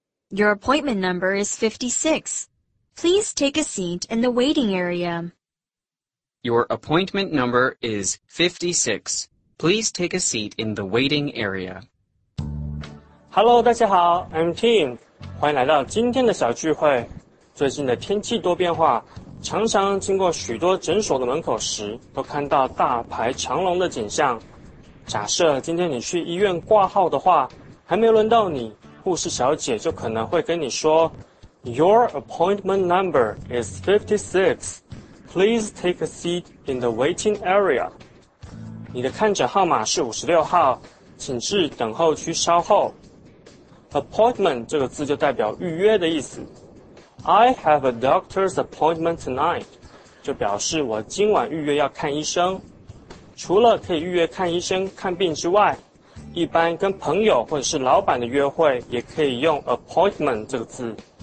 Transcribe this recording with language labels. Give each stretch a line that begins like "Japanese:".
English: Your appointment number is 56. Please take a seat in the waiting area. Your appointment number is 56. Please take a seat in the waiting area. Hello,
Chinese: 大家好
English: ,I'm Tim.
Chinese: 欢迎来到今天的小聚会。最近的天气多变化，常常经过许多诊所的门口时，都看到大排长龙的景象。假设今天你去医院挂号的话，还没轮到你，护士小姐就可能会跟你说
English: Your appointment number is 56. Please take a seat in the waiting area.
Chinese: 你的看诊号码是56号，请至等候区稍后。 Appointment 这个字就代表预约的意思。
English: I have a doctor's appointment tonight.
Chinese: 就表示我今晚预约要看医生。除了可以预约看医生看病之外，一般跟朋友或者是老板的约会也可以用 appointment 这个字。